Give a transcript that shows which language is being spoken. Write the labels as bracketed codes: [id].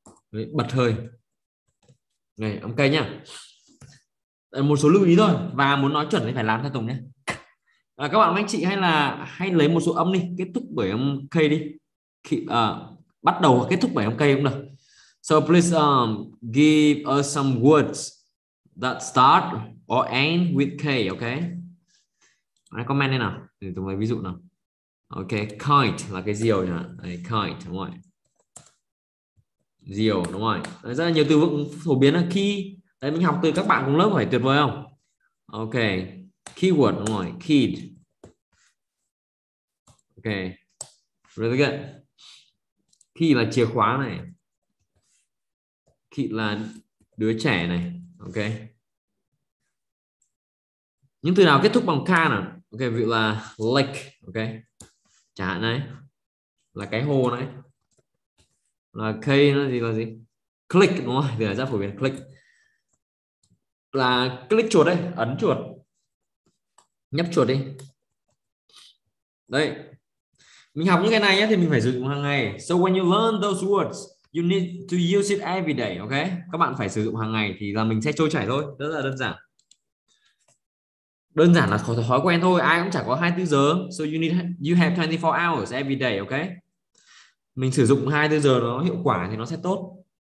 [vi] Đấy, bật hơi. Này, âm K nhá. Một số lưu ý thôi. Và muốn nói chuẩn thì phải làm theo Tùng nhé. À, các bạn anh chị hay lấy một số âm đi, kết thúc bởi âm K đi. Bắt đầu kết thúc bởi âm K cũng được. [en] So please give us some words that start or end with K, okay? [vi] Hãy comment đây nào, để tôi lấy ví dụ nào. Okay, kite là cái diều nhỉ? Đấy, kite, đúng rồi. Diều, đúng rồi. Đấy, rất là nhiều từ vựng phổ biến là khi đấy, mình học từ các bạn cùng lớp phải tuyệt vời không? Okay. Keyword, đúng rồi, kid. Ok, [en] really good. [vi] Key là chìa khóa này. Kid là đứa trẻ này, ok. Những từ nào kết thúc bằng K nào? Ok, ví dụ là lake, ok. Chẳng hạn này, là cái hồ này. Là K nó gì là gì? Click, đúng rồi, từ này rất phổ biến, click. Là click chuột đấy, ấn chuột. Nhấp chuột đi. Đấy. Mình học những cái này nhé, thì mình phải sử dụng hàng ngày. So when you learn those words, you need to use it every day, ok? Các bạn phải sử dụng hàng ngày thì là mình sẽ trôi chảy thôi. Rất là đơn giản. Đơn giản là thói quen thôi. Ai cũng chẳng có 24 giờ. [en] So you have 24 hours every day, ok? [vi] Mình sử dụng 24 giờ nó hiệu quả thì nó sẽ tốt.